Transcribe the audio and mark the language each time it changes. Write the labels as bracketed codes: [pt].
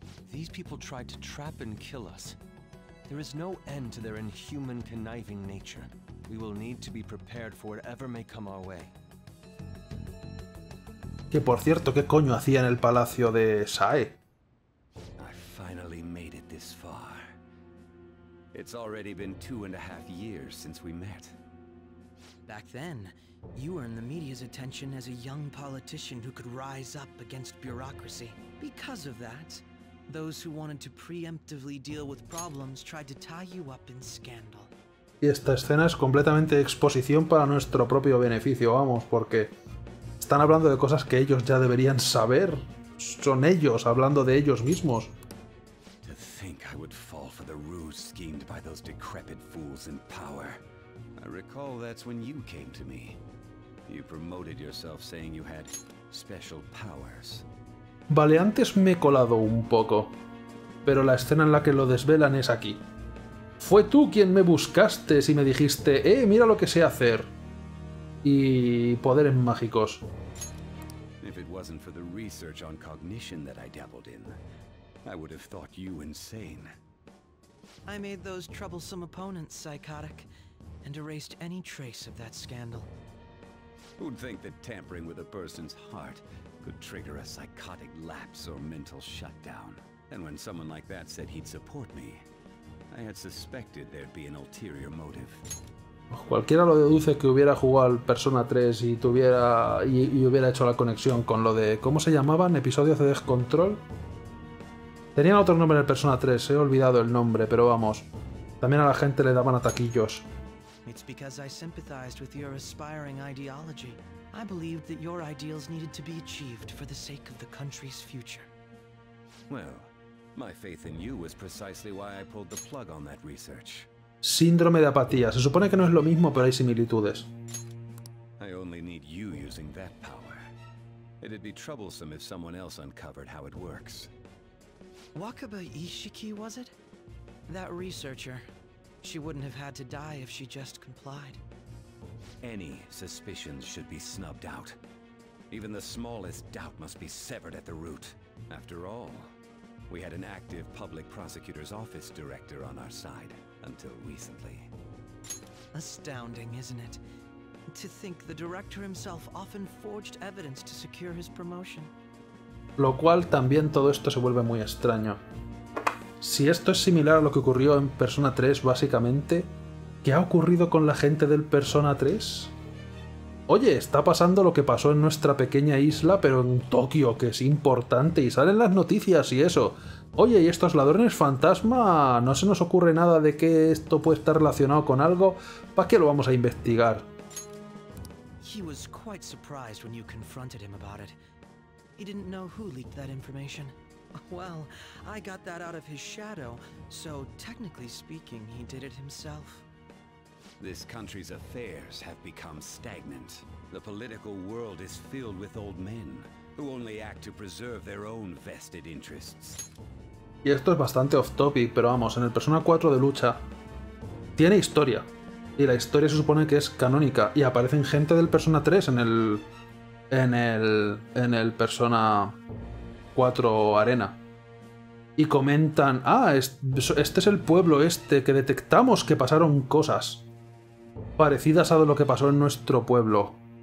[en] These people tried to trap and kill us. There is no end to their inhuman, conniving nature. We will need to be prepared for whatever may come our way. [es] Que por cierto, ¿qué coño hacía en el palacio de Sae? [en] I finally made it this far. It's already been 2.5 years since we met. Back then, you earned the media's attention as a young politician who could rise up against bureaucracy. Because of that, those who wanted to preemptively deal with problems tried to tie you up in scandal. [es] Y esta escena es completamente exposición para nuestro propio beneficio, vamos, porque están hablando de cosas que ellos ya deberían saber. Son ellos hablando de ellos mismos. [en] To think I would fall for the ruse schemed by those decrepit fools in power. I recall that's when you came to me. You promoted yourself saying you had special powers. [es] Vale, antes me he colado un poco, pero la escena en la que lo desvelan es aquí. Fue tú quien me buscaste y me dijiste, mira lo que sé hacer. Y poderes mágicos. [en] If it wasn't for the research on cognition that I dabbled in, I would have thought you insane. I made those troublesome opponents psychotic and erased any trace of that scandal. Who'd think that tampering with a person's heart could trigger a psychotic lapse or mental shutdown. And when someone like that said he'd support me, I had suspected there'd be an ulterior motive. [es] Cualquiera lo deduce que hubiera jugado al Persona 3 y tuviera y hubiera hecho la conexión con lo de ¿cómo se llamaban? Episodio CD Control. Tenían otro nombre en el Persona 3, he olvidado el nombre, pero vamos. También a la gente le daban ataquillos. [en] It's because I sympathized with your aspiring ideology. I believed that your ideals needed to be achieved for the sake of the country's future. Well, my faith in you was precisely why I pulled the plug on that research. [es] Síndrome de apatía. Se supone que no es lo mismo, pero hay similitudes. [en] I only need you using that power. It'd be troublesome if someone else uncovered how it works. Wakaba Ishiki, was it? That researcher. She wouldn't have had to die if she just complied. Any suspicions should be snubbed out. Even the smallest doubt must be severed at the root. After all, we had an active public prosecutor's office director on our side until recently. Astounding, isn't it? To think the director himself often forged evidence to secure his promotion. [es] Lo cual también todo esto se vuelve muy extraño. Si esto es similar a lo que ocurrió en Persona 3, básicamente, ¿qué ha ocurrido con la gente del Persona 3? Oye, está pasando lo que pasó en nuestra pequeña isla, pero en Tokio, que es importante, y salen las noticias y eso. Oye, ¿y estos ladrones fantasma? ¿No se nos ocurre nada de que esto puede estar relacionado con algo? ¿Para qué lo vamos a investigar? [en] He was quite surprised when you confronted him about it. He didn't know who leaked that information. Well, I got that out of his shadow, so technically speaking, he did it himself. This country's affairs have become stagnant. The political world is filled with old men who only act to preserve their own vested interests. [es] Y esto es bastante off topic, pero vamos, en el Persona 4 de lucha tiene historia. Y la historia se supone que es canónica y aparecen gente del Persona 3 en el Persona 4 Arena. Y comentan, ah, este es el pueblo este que detectamos que pasaron cosas parecidas a lo que pasó en nuestro pueblo.